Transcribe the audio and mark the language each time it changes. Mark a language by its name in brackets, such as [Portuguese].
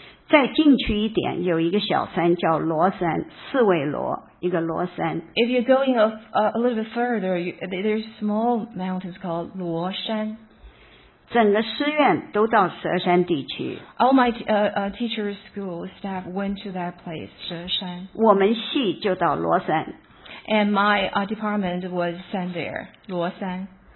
[Chinese] 再进去一点，有一个小山叫罗山，刺猬罗，一个罗山。 [English] If you're going a little bit further, there's small mountains called 罗山。 [Chinese] 整个师院都到蛇山地区。 [English] All my teacher school staff went to that place, 蛇山。 [Chinese] 我们系就到罗山。 [English] And my department was sent there, 罗山。